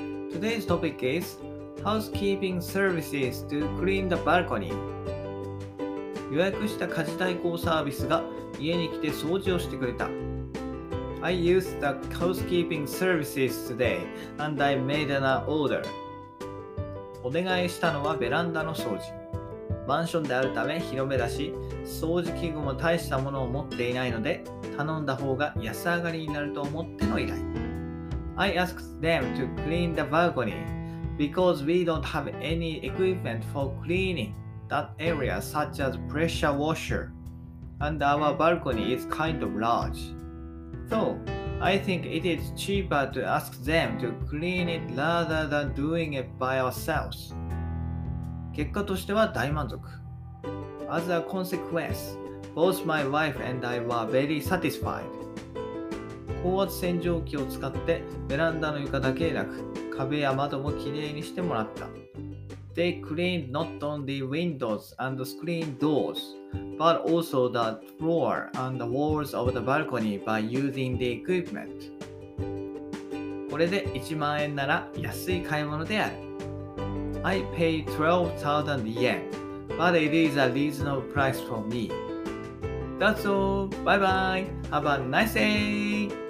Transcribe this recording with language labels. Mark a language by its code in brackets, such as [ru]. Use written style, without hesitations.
[en] Today's topic is housekeeping services to clean the balcony. [ja] 予約した家事代行サービスが家に来て掃除をしてくれた。 [en] I used the housekeeping services today and I made an order. [ja] お願いしたのはベランダの掃除。マンションであるため広めだし、掃除器具も大したものを持っていないので、頼んだ方が安上がりになると思っての依頼。 [en] I asked them to clean the balcony because we don't have any equipment for cleaning that area such as pressure washer and our balcony is kind of large. So, I think it is cheaper to ask them to clean it rather than doing it by ourselves. [ja] 結果としては大満足。 [en] As a consequence, both my wife and I were very satisfied. [ja] 高圧洗浄機を使ってベランダの床だけでなく、壁や窓もきれいにしてもらった。 [en] They cleaned not only windows and screen doors, but also the floor and the walls of the balcony by using the equipment. [ja] これで1万円なら安い買い物である。 [en] I paid 12,000 yen, but it is a reasonable price for me. That's all. Bye bye. Have a nice day.